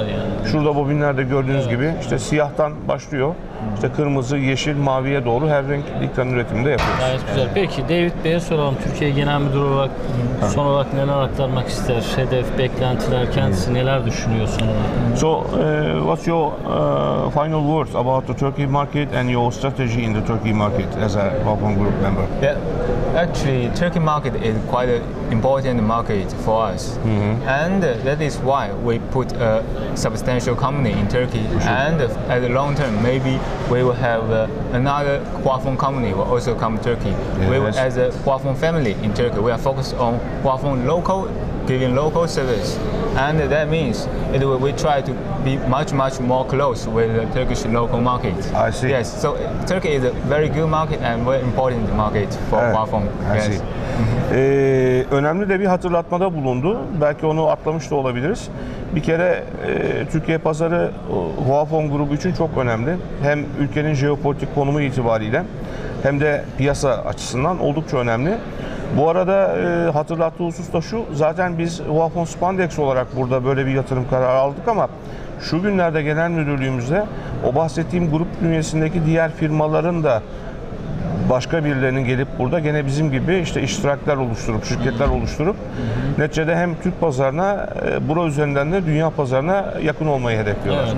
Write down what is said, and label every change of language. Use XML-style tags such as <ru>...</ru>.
<tr>Var yani. Şurada bobinlerde gördüğünüz evet, gibi işte evet, siyahtan başlıyor. İşte kırmızı, yeşil, maviye doğru her renk lycra'nın üretimini de yapıyoruz. Gayet güzel. Peki David Bey'e soralım. Türkiye Genel Müdür olarak son olarak neler aktarmak ister? Hedef, beklentiler, kendisi neler düşünüyor son olarak?</tr> <en>So, what's your final words about the Turkey market and your strategy in the Turkey market as a Vodafone Group member? Yeah. Actually, Turkey market is quite an important market for us. Mm-hmm. And that is why we put a substantial company in Turkey. Sure. And at the long term, maybe we will have another Huafeng company will also come to Turkey. Yes. We will, as a Huafeng family in Turkey, we are focused on Huafeng local, giving local service. And that means it will, we try to be much, much more close with the Turkish local market. I see. Yes, so Turkey is a very good market and very important market for Huafeng.</en> <tr>Evet.</tr> <en>Yes. I see.</en> <tr>Önemli de bir hatırlatmada bulundu. Belki onu atlamış da olabiliriz. Bir kere Türkiye pazarı Huafeng grubu için çok önemli. Hem ülkenin jeopolitik konumu itibariyle hem de piyasa açısından oldukça önemli. Bu arada hatırlattığı husus da şu, zaten biz Huafeng Spandex olarak burada böyle bir yatırım kararı aldık ama şu günlerde genel müdürlüğümüzde o bahsettiğim grup bünyesindeki diğer firmaların da başka birilerinin gelip burada gene bizim gibi işte iştiraklar oluşturup, şirketler oluşturup neticede hem Türk pazarına, bura üzerinden de dünya pazarına yakın olmayı hedefliyorlar.</tr>